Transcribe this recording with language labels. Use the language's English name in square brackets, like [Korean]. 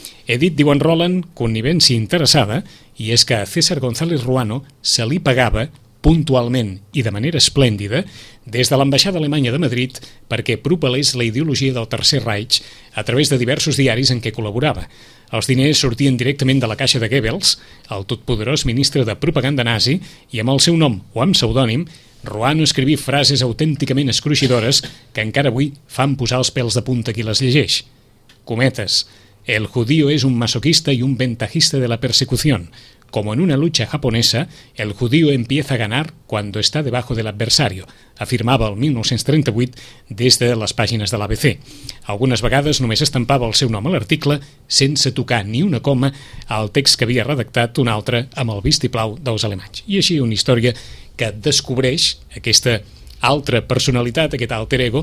[Catalan] He dit, diu en Roland, connivència interessada, i és que a César González Ruano se li pagava puntualment i de manera esplèndida des de l'ambaixada alemanya de Madrid perquè propalés la ideologia del Tercer Reich a través de diversos diaris en què col·laborava. Els diners sortien directament de la caixa de Goebbels, el totpoderós ministre de propaganda nazi, i amb el seu nom o amb pseudònim, Ruano escriví frases autènticament escruixidores que encara avui fan posar els pèls de punta qui les llegeix. Cometes. [Spanish] El judío es un masoquista y un ventajista de la persecución. Como en una lucha japonesa, el judío empieza a ganar cuando está debajo del adversario, [Catalan] afirmava el 1938 des de les pàgines de l'ABC. Algunes vegades només estampava el seu nom a l'article sense tocar ni una coma al text que havia redactat un altre amb el vistiplau dels alemanys. I així una història que descobreix aquesta altra personalitat, aquest alter ego.